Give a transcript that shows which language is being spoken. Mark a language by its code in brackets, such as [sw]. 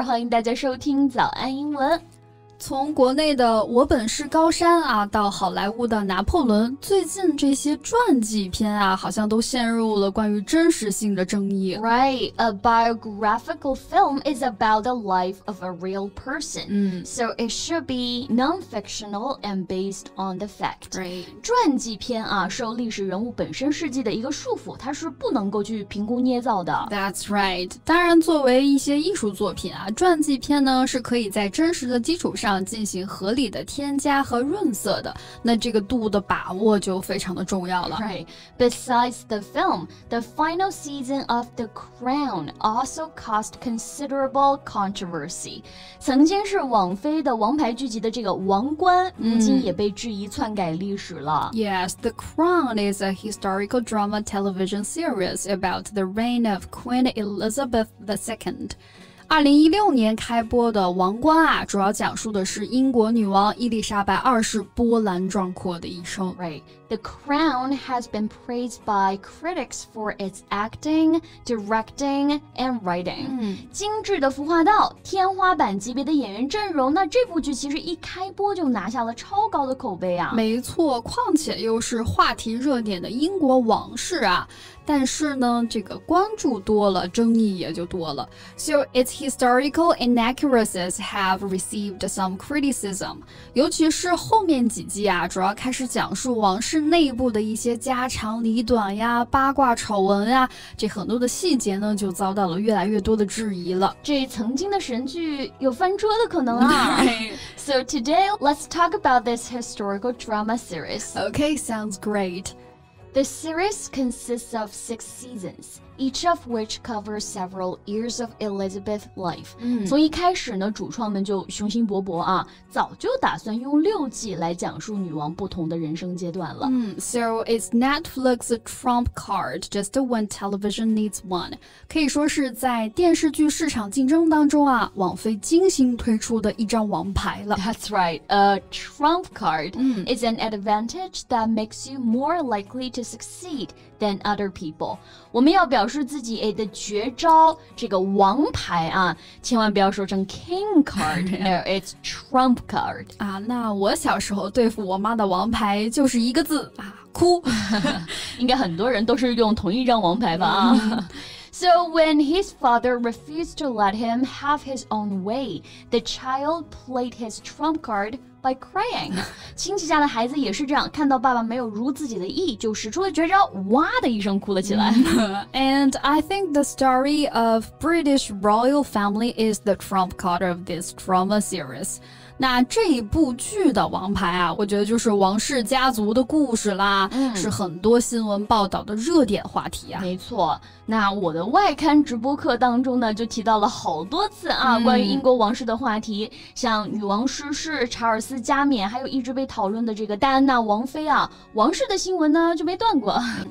[zh] 欢迎大家收听早安英文。从国内的我本是高山啊，到好莱坞的拿破仑，最近这些传记片啊，好像都陷入了关于真实性的争议。 [en] Right, a biographical film is about the life of a real person. So it should be non-fictional and based on the fact. Right. [zh] 传记片啊，受历史人物本身事迹的一个束缚，它是不能够去凭空捏造的。 [en] That's right. [zh] 当然，作为一些艺术作品啊，传记片呢，是可以在真实的基础上进行合理的添加和润色的，那这个度的把握就非常的重要了。 [en] Right. Besides the film, the final season of The Crown also caused considerable controversy. [zh] 曾经是网飞的王牌剧集的这个王冠，如今也被质疑篡改历史了。 [en] Yes, The Crown is a historical drama television series about the reign of Queen Elizabeth II. [zh] 2016年开播的《王冠》啊，主要讲述的是英国女王伊丽莎白二世波澜壮阔的一生。 [en] Right. The Crown has been praised by critics for its acting, directing, and writing. [zh] 精致的服化道，天花板级别的演员阵容，那这部剧其实一开播就拿下了超高的口碑啊。没错，况且又是话题热点的英国王室啊。但是呢，这个关注多了，争议也就多了。 [en] So its historical inaccuracies have received some criticism. [zh] 尤其是后面几季啊，主要开始讲述王室内部的一些家长里短呀、八卦丑闻呀，这很多的细节呢，就遭到了越来越多的质疑了。这曾经的神剧有翻车的可能啊。 [en] So today, let's talk about this historical drama series. Okay, sounds great. The series consists of 6 seasons, each of which covers several years of Elizabeth's life. [zh] 从一开始呢，主创们就雄心勃勃啊，早就打算用六季来讲述女王不同的人生阶段了。 [en] So it's Netflix's trump card just when television needs one. [zh] 可以说是在电视剧市场竞争当中啊，网飞精心推出的一张王牌了。 [en] That's right, a trump card is an advantage that makes you more likely to succeed than other people. [zh] 我们要表示自己的绝招，这个王牌啊，千万不要说成 [en] king card. No, it's trump card. [zh] 啊，那我小时候对付我妈的王牌就是一个字啊，哭。应该很多人都是用同一张王牌吧啊。 [en] So when his father refused to let him have his own way, the child played his trump card by crying. [zh] 亲戚家的孩子也是这样，看到爸爸没有如自己的意，就使出了绝招，哇的一声哭了起来。 [en] And I think the story of British royal family is the trump card of this drama series. [zh] 那这一部剧的王牌啊，我觉得就是王室家族的故事啦，是很多新闻报道的热点话题啊。没错，那我的外刊直播课当中呢，就提到了好多次啊，关于英国王室的话题，像女王逝世、查尔斯加冕，还有一直被讨论的这个戴安娜王妃啊，王室的新闻呢就没断过。